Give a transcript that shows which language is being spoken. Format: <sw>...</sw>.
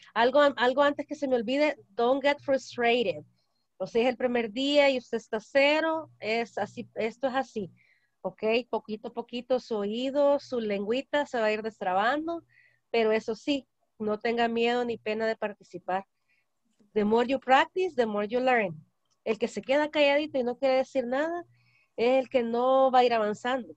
<es>Algo antes que se me olvide,</es> <en>don't get frustrated.</en> <es>O sea, es el primer día y usted está cero, es así, esto es así. Okay, poquito a poquito su oído, su lengüita se va a ir destrabando, pero eso sí, no tenga miedo ni pena de participar.</es> <en>The more you practice, the more you learn.</en> <es>El que se queda calladito y no quiere decir nada, es el que no va a ir avanzando.</es>